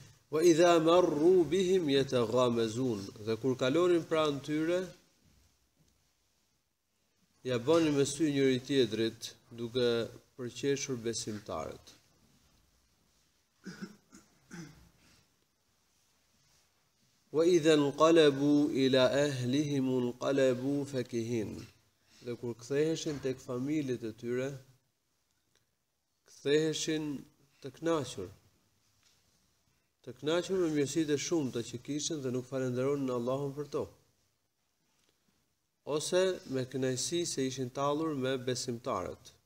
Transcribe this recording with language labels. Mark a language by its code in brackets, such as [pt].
[ar] وإذا مروا بهم يتغامزون. [sq] Dhe kur kalonin pranë tyre, ja bënin me sy njëri tjetrit duke përqeshur besimtarët. [ar] وإذا انقلبوا إلى أهلهم انقلبوا فكهين. [sq] Dhe kur ktheheshin tek familjet e tyre, ktheheshin të kënaqur. Të kënaqur me mirësitë shumta që kishin dhe nuk falenderonin Allahun për to. Ose me kënaqësi se ishin tallur me besimtarët.